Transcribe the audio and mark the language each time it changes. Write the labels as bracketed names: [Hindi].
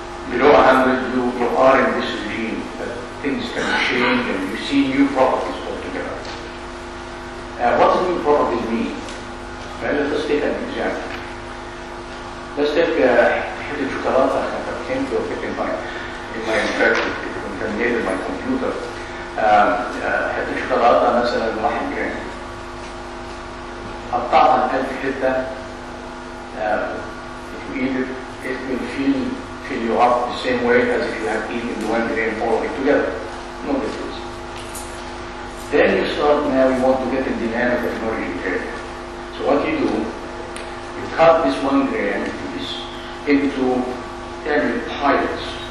[English] Below 100, you are in this regime that things can change and you see new properties altogether. What do new properties mean? Well, let us take an example. Let's take the chocolate that I came to pick in my infection. Contaminated my computer. [Arabic] حتى الشوكولاتة مثلا 1 جرام. قطعها 1000 حتة. [English] If you eat it, it will fill you up the same way as if you have eaten 1 gram all of it together. No difference. Then you start, now you want to get in the nanotechnology area. So what you do, you cut this 1 gram into 10 pilots.